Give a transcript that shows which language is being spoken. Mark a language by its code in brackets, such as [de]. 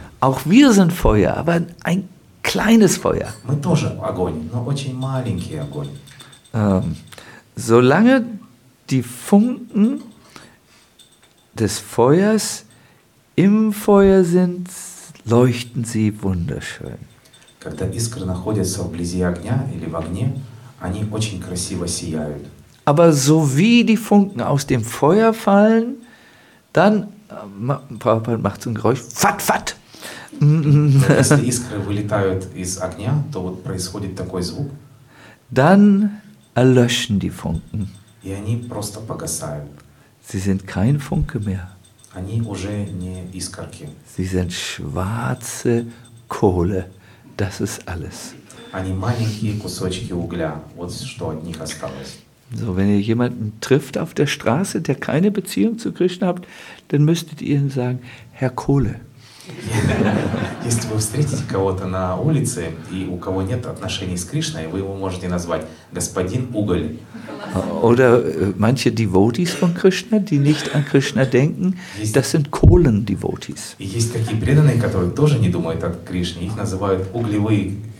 [de] Auch wir sind Feuer, aber ein kleines Feuer. Wir sind auch Feuer, aber ein kleines Feuer. Solange die Funken des Feuers im Feuer sind, leuchten sie wunderschön. Wenn die Iskren [ru] вблизи огня или в огне, они очень красиво сияют. [de] Aber so wie die Funken aus dem Feuer fallen, dann Prabhupada macht so ein Geräusch, fat fat. [ru] Если искры вылетают из огня, то вот происходит такой звук. [de] Dann erlöschen die Funken. [ru] И они просто погасают. [de] Sie sind kein Funke mehr. [ru] Они уже не искорки. [de] Sie sind schwarze Kohle. Das ist alles. [ru] Они маленькие кусочки угля, вот что от них осталось. [de] So, wenn ihr jemanden trifft auf der Straße, der keine Beziehung zu Krishna hat, dann müsstet ihr ihm sagen, Herr Kohle. [ru] Если вы встретите кого-то на улице и у кого нет отношений с Кришной, вы его можете назвать господин уголь. [de] Oder manche Devotees von Krishna, die nicht an Krishna denken, das sind Kohlen-Devotees. [ru] Есть такие преданные, которые тоже не думают о Кришне, их называют углевые.